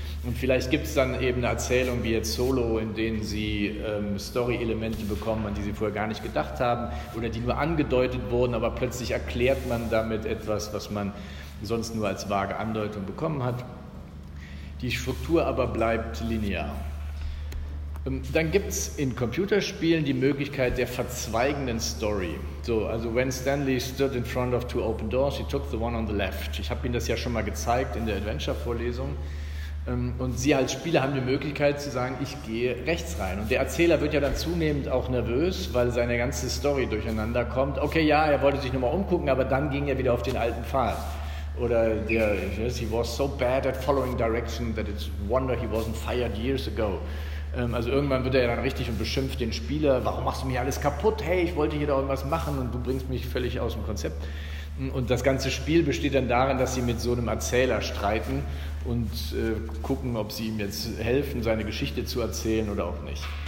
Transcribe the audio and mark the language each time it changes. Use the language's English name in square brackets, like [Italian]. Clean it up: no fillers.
[German] Und vielleicht gibt es dann eben eine Erzählung wie jetzt Solo, in denen Sie Story-Elemente bekommen, an die Sie vorher gar nicht gedacht haben oder die nur angedeutet wurden, aber plötzlich erklärt man damit etwas, was man sonst nur als vage Andeutung bekommen hat. Die Struktur aber bleibt linear. Dann gibt es in Computerspielen die Möglichkeit der verzweigenden Story. [English] So, also when Stanley stood in front of two open doors, he took the one on the left. [German] Ich habe Ihnen das ja schon mal gezeigt in der Adventure-Vorlesung. Und Sie als Spieler haben die Möglichkeit zu sagen, ich gehe rechts rein. Und der Erzähler wird ja dann zunehmend auch nervös, weil seine ganze Story durcheinander kommt. Okay, ja, er wollte sich nochmal umgucken, aber dann ging er wieder auf den alten Pfad. Oder der, [English] yes, he was so bad at following direction that it's a wonder he wasn't fired years ago. [German] Also irgendwann wird er ja dann richtig und beschimpft den Spieler, warum machst du mir alles kaputt, hey, ich wollte hier doch irgendwas machen und du bringst mich völlig aus dem Konzept. Und das ganze Spiel besteht dann darin, dass sie mit so einem Erzähler streiten und gucken, ob sie ihm jetzt helfen, seine Geschichte zu erzählen oder auch nicht.